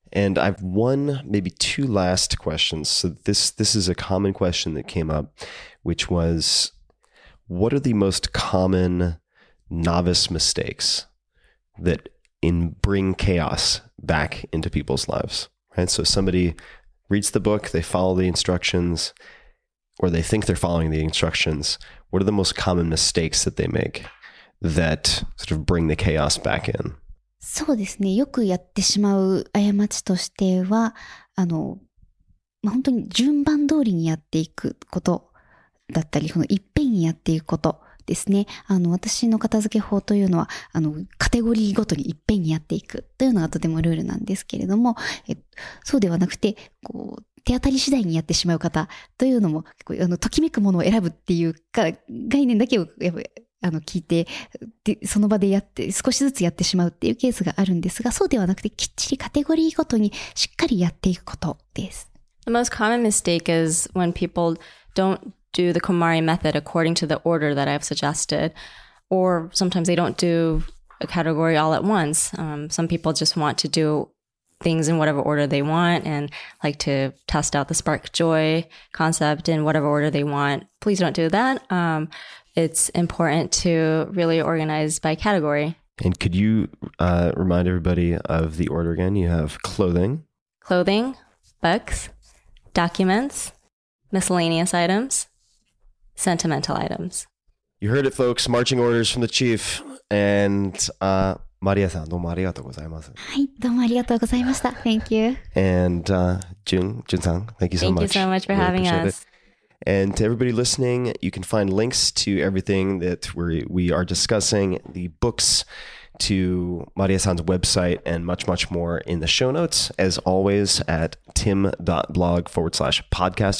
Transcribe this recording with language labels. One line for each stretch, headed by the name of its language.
English: And I have one, maybe two last questions. So this is a common question that came up, which was, what are the most common novice mistakes that bring chaos back into people's lives? Right. So somebody reads the book, they follow the instructions, or they think they're following the instructions. What are the most common mistakes that they make that sort of bring the chaos back in?
Japanese: そうですね、よくやってしまう過ちとしては、本当に順番通りにやっていくことだったり、このいっぺんにやっていくことですね。私の片付け法というのは、カテゴリーごとにいっぺんにやっていくというのがとてもルールなんですけれども、そうではなくて、こう手当たり次第にやってしまう方というのも、ときめくものを選ぶっていうか、概念だけをやっぱり聞いて、でその場でやって少しずつやってしまうっていうケースがあるんですが、そうではなくて、きっちりカテゴリーごとにしっかりやっていくことです。
English: The most common mistake is when people don't do the KOMARI method according to the order that I've suggested, or sometimes they don't do a category all at once. Some people just want to do things in whatever order they want and like to test out the spark joy concept in whatever order they want. Please don't do that. It's important to really organize by category. And could you remind everybody of the order again? You have clothing, books, documents, miscellaneous items, sentimental items. You heard it, folks. Marching orders from the chief. And Maria-san,
Japanese: どうもありがとうございます。はい、どうもありがとうございました。
English: Thank you. And Jun-san, thank you so much. Thank you so much for having us. And to everybody listening, you can find links to everything that we are discussing, the books, to Maria-san's website, and much, much more in the show notes, as always, at tim.blog/podcast.